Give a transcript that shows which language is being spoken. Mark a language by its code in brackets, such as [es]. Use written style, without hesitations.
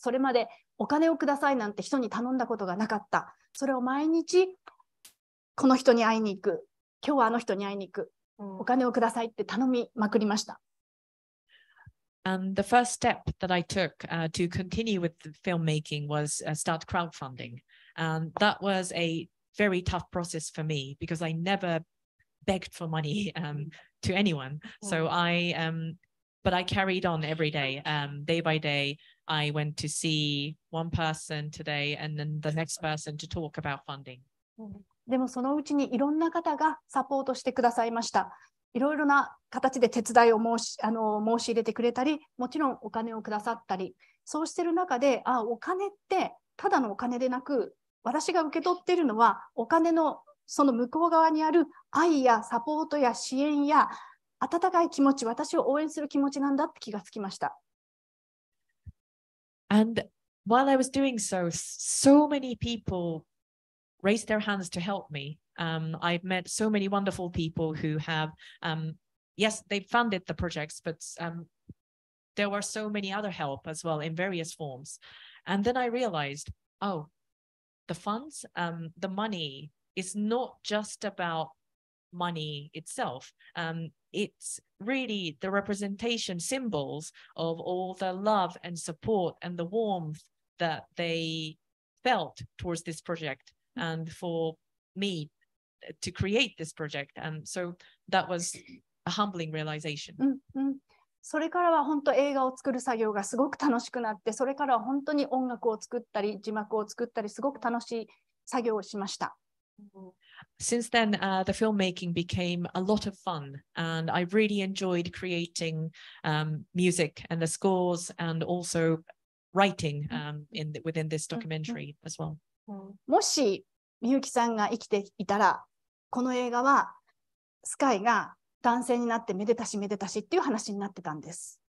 [ja] それまでお金をくださいなんて人に頼んだことがなかった。それを毎日この人に会いに行く。今日はあの人に会いに行く。お金をくださいって頼みまくりました。 [en] And the first step that I took to continue with the filmmaking was start crowdfunding. And that was a very tough process for me because I never begged for money to anyone. So I carried on every day. Day by day, I went to see one person today and then the next person to talk about funding. [ja] でもそのうちにいろんな方がサポートしてくださいました。いろいろな形で手伝いを申し入れてくれたり、もちろんお金をくださったり、そうしている中で、あ、お金ってただのお金でなく、私が受け取っているのはお金のその向こう側にある愛やサポートや支援や温かい気持ち、私を応援する気持ちなんだって気がつきました。 [en] And while I was doing so, so many people raised their hands to help me. I've met so many wonderful people who have, yes, they funded the projects, but there were so many other help as well in various forms. And then I realized, oh, the funds, the money is not just about money itself. It's really the representation symbols of all the love and support and the warmth that they felt towards this project and for me to create this project. And so that was a humbling realization. [ja] それからは本当映画を作る作業がすごく楽しくなって、それからは本当に音楽を作ったり字幕を作ったりすごく楽しい作業をしました。 [en] Since then, the filmmaking became a lot of fun, and I really enjoyed creating music and the scores, and also writing within this documentary as well. [ja] もしみゆきさんが生きていたら、この映画はスカイが男性になってめでたしめでたしっていう話になってたんです。